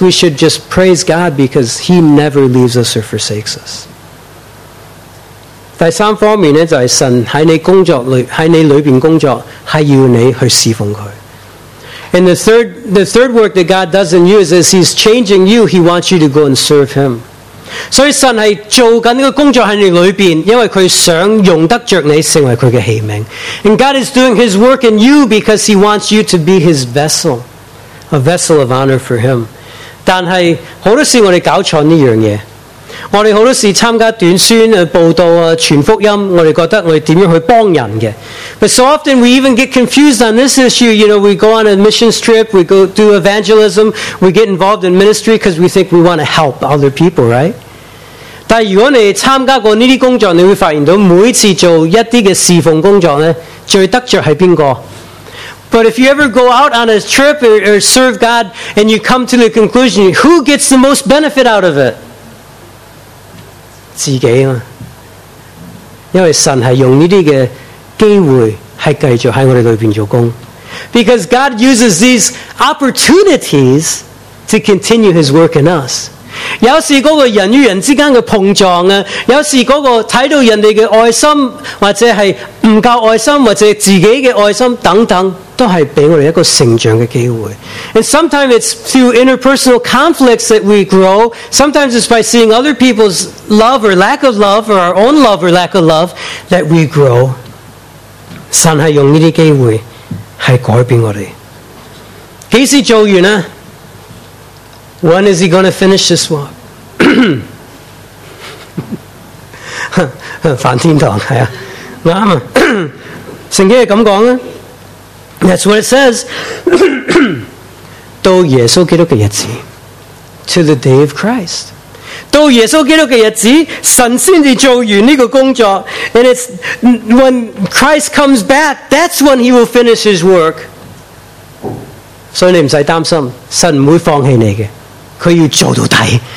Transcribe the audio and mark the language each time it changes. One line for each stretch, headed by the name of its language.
English: We should just praise God because He never leaves us or forsakes us.
Cantonese: 第三方面呢，就是神在你工作里，在你里面工作，是要你去侍奉祂。
English: And the third work that God does in you is as He's changing you, He wants you to go and serve Him.
Cantonese: 所以神是做紧这个工作在你里面，因为祂想用得着你成为祂的器皿。
English: And God is doing His work in you because He wants you to be His vessel, a vessel of honor for Him.
Cantonese: 但是很多时我们搞错这样嘢，我们很多时参加短宣报道传福音，我们觉得我们怎样去帮人的。
English: But so often we even get confused on this issue. You know, we go on a mission trip, we go do evangelism, we get involved in ministry because we think we want to help other people, right?
Cantonese: 但如果你参加过这些工作，你会发现到每次做一些的侍奉工作最得着是谁。
English: But if you ever go out on a trip or serve God and you come to the conclusion, who gets the most benefit out of it?
Cantonese: 自己嘛，因为神是用这些的机会是继续在我们里面做工。
English: Because God uses these opportunities to continue His work in us.
Cantonese: 有时那个人与人之间的碰撞，有时那个看到人的爱心，或者是不够爱心，或者自己的爱心等等，都是给我们一个成长的机会。
English: And sometimes it's through interpersonal conflicts that we grow. Sometimes it's by seeing other people's love or lack of love, or our own love or lack of love, that we grow.
Cantonese: 神是用这些机会是改变我们。几时做完呢？
English: When is he going to finish this walk?
Cantonese: 梵天堂，是啊，对啊，圣经是这么说
English: 的。That's what it says.
Cantonese: 到耶稣基督的日子。
English: To the day of Christ.
Cantonese: 到耶稣基督的日子，神先至做完这个工作。
English: And it's when Christ comes back, that's when he will finish his work.
Cantonese: 所以你不用担心，神不会放弃你的，他要做到底。